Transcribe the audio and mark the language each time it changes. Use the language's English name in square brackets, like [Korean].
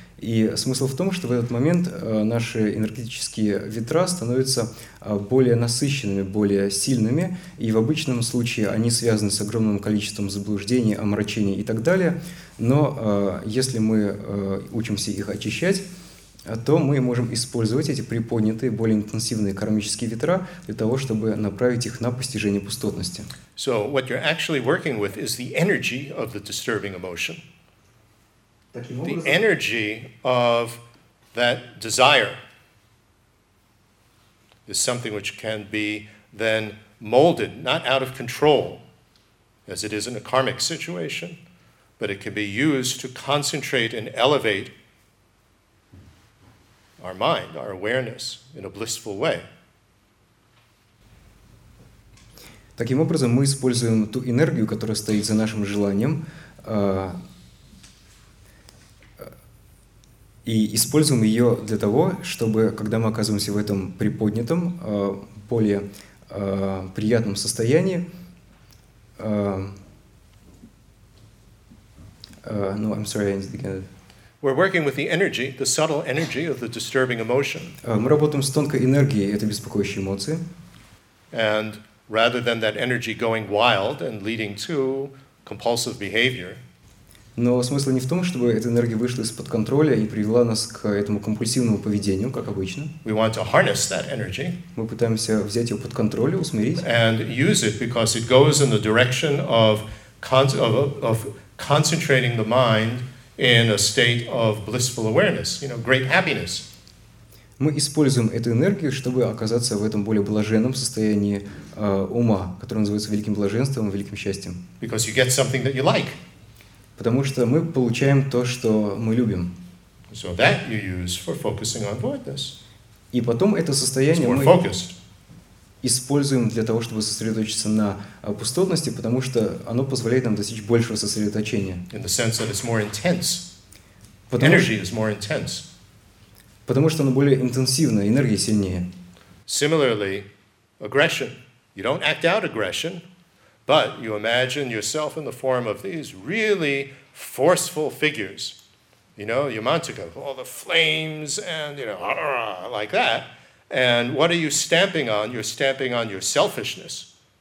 [Russian] И смысл в том, что в этот момент наши энергетические ветра становятся более насыщенными, более сильными, и в обычном случае они связаны с огромным количеством заблуждений, омрачений и так далее. Но если мы учимся их очищать, то мы можем использовать эти приподнятые, более интенсивные кармические ветра для того, чтобы направить их на постижение пустотности. [English] So what you're actually working with is the energy of the disturbing emotion. The energy of that desire is something which can be then molded, not out of control, as it is in a karmic situation, but it can be used to concentrate and elevate our mind, our awareness, in a blissful way. [Russian] Таким образом, мы используем ту энергию, которая стоит за нашим желанием, и используем ее для того, чтобы, когда мы оказываемся в этом приподнятом, более приятном состоянии, [English] no, I'm sorry, I need to get it. We're working with the energy, the subtle energy of the disturbing emotion. [Russian] Мы работаем с тонкой энергией этой беспокоящей эмоции. [English] And rather than that energy going wild and leading to compulsive behavior. [Russian] Но смысл не в том, чтобы эта энергия вышла из-под контроля и привела нас к этому компульсивному поведению, как обычно. [English] We want to harness that energy. [Russian] Мы пытаемся взять ее под контроль, усмирить. [English] And use it because it goes in the direction of concentrating the mind in a state of blissful awareness, you know, great happiness. [Russian] Мы используем эту энергию, чтобы оказаться в этом более блаженном состоянии ума, которое называется великим блаженством, великим счастьем. [English] Because you get something that you like. [Russian] Потому что мы получаем то, что мы любим. [English] So that you use for focusing on voidness. [Russian] И потом это состояние [English] It's more focused. [Russian] Мы используем для того, чтобы сосредоточиться на пустотности, потому что оно позволяет нам достичь большего сосредоточения. [English] In the sense that it's more intense. Energy is more intense. [Russian] Потому что оно более интенсивно, энергия сильнее. [English] Similarly, aggression. You don't act out aggression, but you imagine yourself in the form of these really forceful figures. You know, Yamantaka, all the flames and, you know, like that. And what are you stamping on? You're stamping on your selfishness.